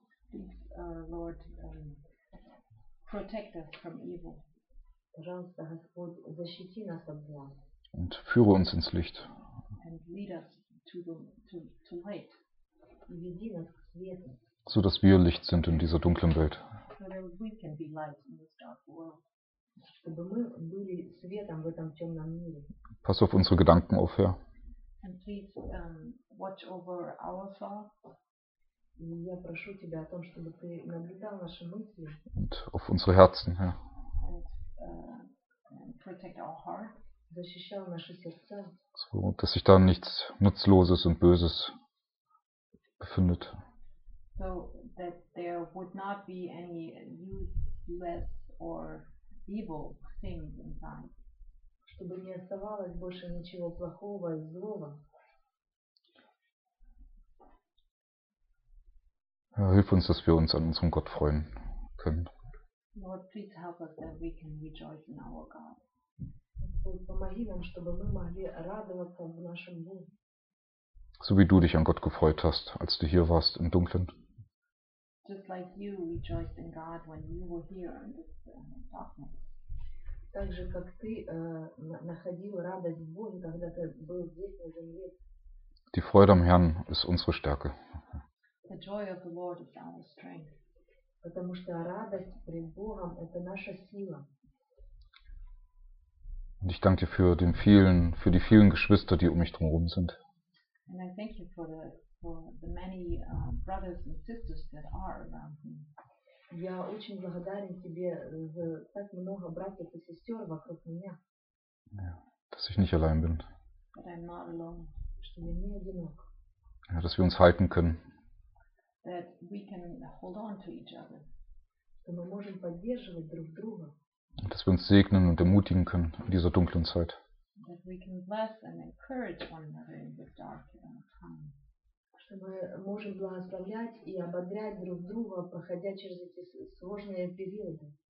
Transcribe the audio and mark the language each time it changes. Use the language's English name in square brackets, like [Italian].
[English] Please, Lord, protect us from evil. [Russian] Пожалуйста, Господь, защити нас от зла. [German] Und führe uns ins Licht. [English] And lead us. To light. [Russian] И веди нас к свету. [German] So dass wir Licht sind in dieser dunklen Welt. [English] So that we can be light in this dark world. [Russian] Чтобы мы были светом в этом темном мире. [German] Pass auf unsere Gedanken auf, Herr. [English] And please watch over our thoughts. [Russian] И я прошу тебя о том, чтобы ты наблюдал наши мысли. [German] Und auf unsere Herzen, Herr. [English] And protect our hearts. [Russian] Защищал наши сердца. [German] So, dass sich da nichts Nutzloses und Böses befindet. [English] So, that there would not be any useless or evil things inside. [Russian] Чтобы не оставалось больше ничего плохого и злого. [German] Herr, hilf uns, dass wir uns an unserem Gott freuen können. [English] Lord, please help us that we can rejoice in our God. [Russian] Помоги нам, чтобы мы могли радоваться в нашем Боге. [German] So wie du dich an Gott gefreut hast, als du hier warst im Dunkeln. [English] Just like you rejoiced in God when you were here in this darkness. [Russian] Так же, как ты находил радость в Боге, когда ты был здесь на земле. [German] Die Freude am Herrn ist unsere Stärke. [English] The joy of the Lord is our strength. [Russian] Потому что радость пред Богом – это наша сила. [German] Und ich danke dir für den vielen, für die vielen Geschwister, die um mich drum herum sind. [English] And I thank you for the many brothers and sisters that are around me. [Russian] Я очень благодарен тебе за так много братьев и сестер вокруг меня. [German] Dass ich nicht allein bin. [English] That I'm not alone. [German] Ich bin nie genug. Ja, dass wir uns halten können. [English] That we can hold on to each other. [German] Dass wir uns [Russian] поддерживать друг друга. [German] Dass wir uns segnen und ermutigen können in dieser dunklen Zeit. [English] That we can bless and encourage one another in the dark time. [Russian] Чтобы мы можем благословлять и ободрять друг друга, проходя через эти сложные периоды.